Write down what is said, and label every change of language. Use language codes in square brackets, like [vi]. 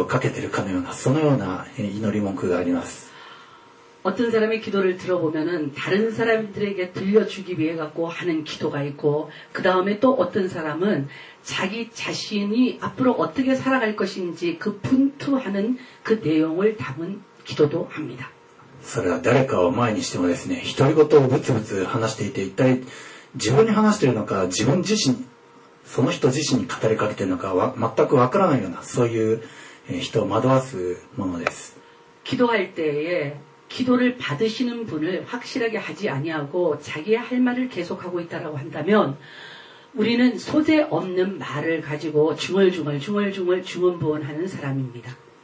[ja] 例えば祈りの文句を神様でなく誰か人に聞かせるためだとか、あるいは自分自身を奮い立たせるために、なんか自己暗示をかけてるかのような、そのような祈り文句があります。 [ko] 어떤 사람이 기도를 들어보면은 다른 사람들에게 들려주기 위해 갖고 하는 기도가 있고 그 다음에 또 어떤 사람은 자기 자신이 앞으로 어떻게 살아갈 것인지 그 분투하는 그 내용을 담은 기도도 합니다. [ja] それは誰かを前にしてもですね、独り言をブツブツ話していて一体自分に話しているのか自分自身その人自身に語りかけているのか全くわからないようなそういう人を惑わすものです。 [ko] 기도할 때에 기도를 받으시는 분을 확실하게 하지 아니하고 자기의 할 말을 계속하고 있다라고 한다면 우리는 소재 없는 말을 가지고 중얼중얼 중언부언하는 사람입니다.